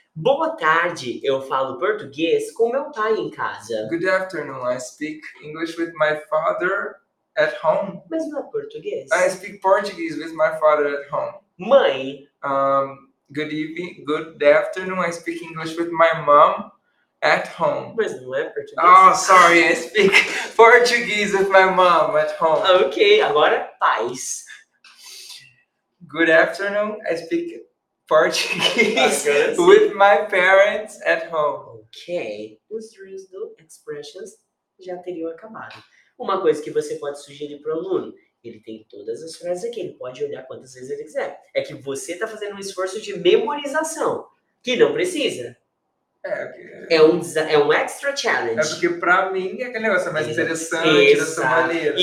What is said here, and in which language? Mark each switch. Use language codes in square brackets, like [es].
[pt] Boa tarde, eu falo português com meu pai em casa. [en] Good afternoon, I speak English with my father at home. [pt] Mas não é português. [en] I speak Portuguese with my father at home. [pt] Mãe. [en] Good evening, good afternoon, I speak English with my mom. At home. [pt] Mas não é português? [en] Oh, sorry, I speak Portuguese with my mom at home. [pt] Ok, agora paz. [en] Good afternoon, I speak Portuguese with my parents at home. [pt] Ok, os rules do expressions já teriam acabado. Uma coisa que você pode sugerir para o aluno, ele tem todas as frases aqui, ele pode olhar quantas vezes ele quiser. É que você está fazendo um esforço de memorização, que não precisa. É um [en] extra challenge. [pt] É porque para mim é aquele negócio mais interessante dessa maneira.